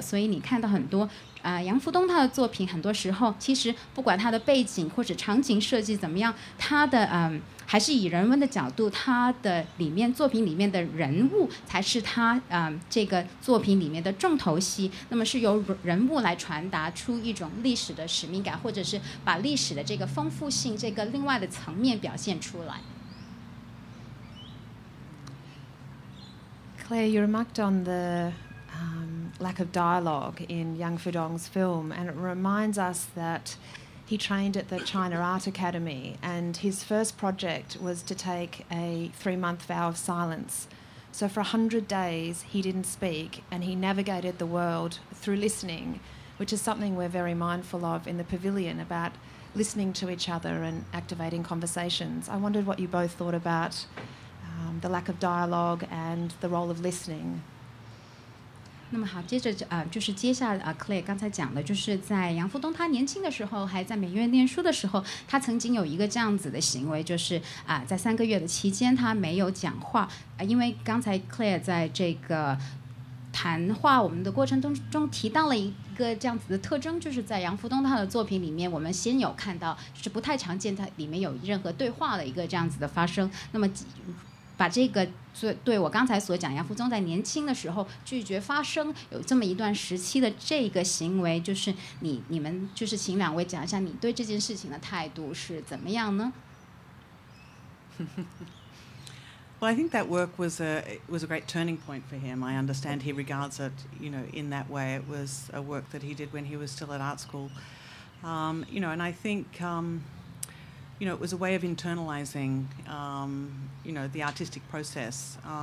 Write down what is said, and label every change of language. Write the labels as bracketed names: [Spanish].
[Chinese] 所以你看到很多杨福东他的作品，很多时候其实不管他的背景或者场景设计怎么样，他的还是以人文的角度，他的里面作品里面的人物才是他这个作品里面的重头戏。那么是由人物来传达出一种历史的使命感，或者是把历史的这个丰富性这个另外的层面表现出来。 [English] Claire, you remarked on the lack of dialogue in Yang Fudong's film, and it reminds us that he trained at the China Art Academy, and his first project was to take a 3-month vow of silence. So for 100 days, he didn't speak, and he navigated the world through listening, which is something we're very mindful of in the pavilion, about listening to each other and activating conversations. I wondered what you both thought about the lack of dialogue and the role of listening. [Chinese] 那么好，接着就是接下Claire 刚才讲的，就是在杨福东他年轻的时候还在美院念书的时候，他曾经有一个这样子的行为，就是在三个月的期间他没有讲话因为刚才 Claire 在这个谈话我们的过程中提到了一个这样子的特征，就是在杨福东他的作品里面我们先有看到，就是不太常见他里面有任何对话的一个这样子的发生。那么把这个对我刚才所讲杨福宗在年轻的时候拒绝发声有这么一段时期的这个行为，就是你们就是请两位讲一下你对这件事情的态度是怎么样呢？ [English] Well, I think that work was a great turning point for him. I understand he regards it, you know, in that way. It was a work that he did when he was still at art school. You know, and I think, you know, it was a way of internalizing, you know, the artistic process.